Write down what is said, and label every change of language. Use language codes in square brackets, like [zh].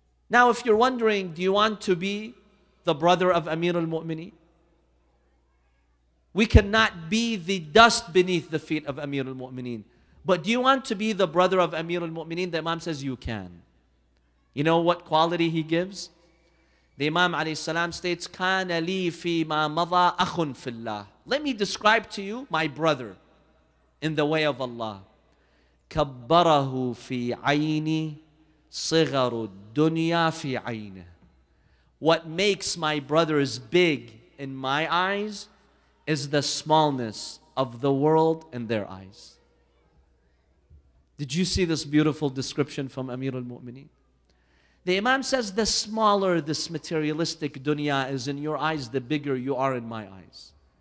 [en] Now, if you're wondering, do you want to be the brother of Amir al-Mu'mineen? We cannot be the dust beneath the feet of Amir al-Mu'mineen. But do you want to be the brother of Amir al-Mu'mineen? The Imam says, you can. You know what quality he gives? The Imam alayhi salam states, [ar] كَانَ لِي فِي مَا مَضَى أَخٌ فِي اللَّهِ. [en] Let me describe to you my brother in the way of Allah. [ar] كَبَّرَهُ فِي عَيْنِي صِغَرُ الدُّنْيَا فِي عَيْنِهِ. [en] What makes my brother is big in my eyes is the smallness of the world in their eyes. Did you see this beautiful description from Amir al-Mu'mineen? The Imam says, the smaller this materialistic dunya is in your eyes, the bigger you are in my eyes.